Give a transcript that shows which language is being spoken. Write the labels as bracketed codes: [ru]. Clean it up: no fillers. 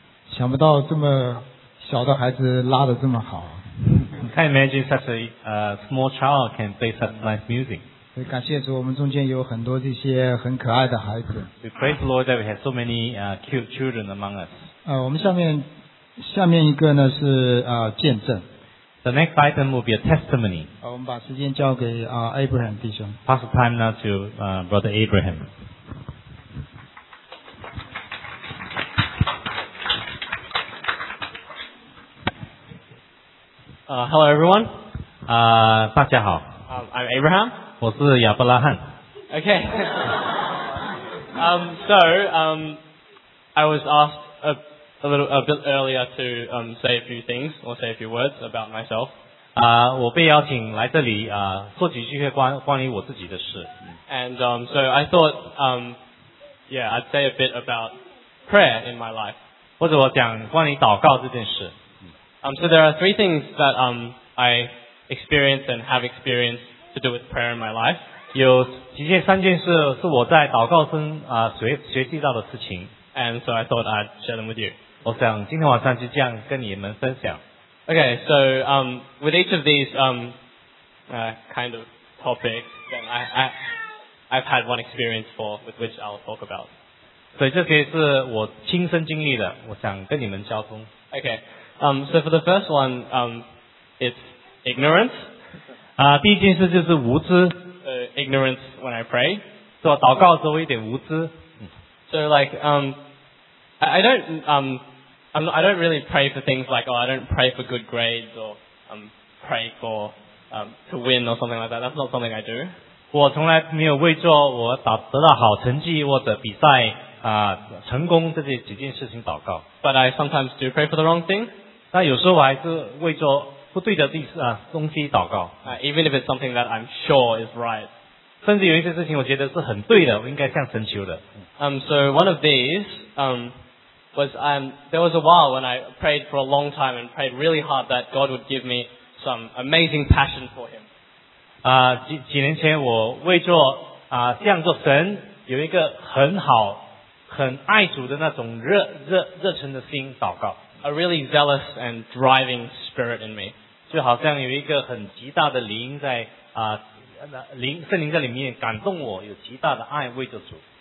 [zh] 想不到这么小的孩子拉得这么好。 [en] You can imagine such a small child can play such nice music. [zh] 感谢主，我们中间有很多这些很可爱的孩子。 [en] We praise the Lord that we have so many cute children among us. [zh] 我们下面一个呢是见证。 [en] The next item will be a testimony. Abraham, pass the time now to Brother Abraham. Hello, everyone. [zh] 大家好。 [en] I'm Abraham. [zh] 我是亚伯拉罕。 [en] Okay. I was asked a bit earlier to say a few words about myself. [zh] 我被邀请来这里说几句关于我自己的事。 [en] And so I thought I'd say a bit about prayer in my life. [zh] 或者我讲关于祷告这件事。 [en] So there are three things that I experienced and have experienced to do with prayer in my life. [zh] 有几件三件事是我在祷告中学习到的事情。 [en] And so I thought I'd share them with you. [zh] 我想今天晚上就这样跟你们分享。 [en] Okay, so with each of these kind of topics, then I've had one experience for with which I'll talk about. [zh] 所以这些是我亲身经历的，我想跟你们交通。 [en] Okay, so for the first one, it's ignorance. [zh] 第一件事就是无知。 [en] Ignorance when I pray. [zh] 做祷告时候一点无知。 [en] So like I don't really pray for things like, oh, I don't pray for good grades or pray for to win or something like that. That's not something I do. [zh] 我从来没有为做我得到好成绩或者比赛成功这些几件事情祷告。 [en] But I sometimes do pray for the wrong thing. [zh] 那有时候我还是为做不对的东西祷告。 [en] Even if it's something that I'm sure is right. [zh] 甚至有一些事情我觉得是很对的，我应该向神求的。 [en] So one of these, there was a while when I prayed for a long time and prayed really hard that God would give me some amazing passion for him. [zh] 几年前我为做向着神有一个很好很爱主的那种热忱的心祷告。 [en] A really zealous and driving spirit in me. [zh] 就好像有一个很极大的灵在圣灵在里面感动我，有极大的爱为着主。